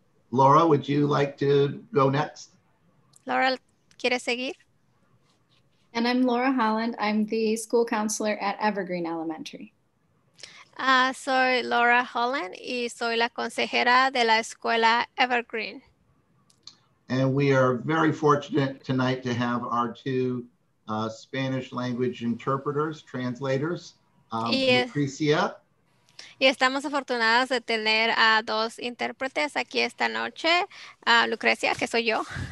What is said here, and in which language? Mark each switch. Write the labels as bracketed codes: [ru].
[en] Laura, would you like to go next? [es] Laura, ¿quieres seguir? [en] And I'm Laura Holland. I'm the school counselor at Evergreen Elementary. [es] Soy Laura Holland y soy la consejera de la escuela Evergreen. [en] And we are very fortunate tonight to have our two Spanish language interpreters, translators, Lucrecia. [es] Y estamos afortunadas de tener a dos intérpretes aquí esta noche, Lucrecia, que soy yo.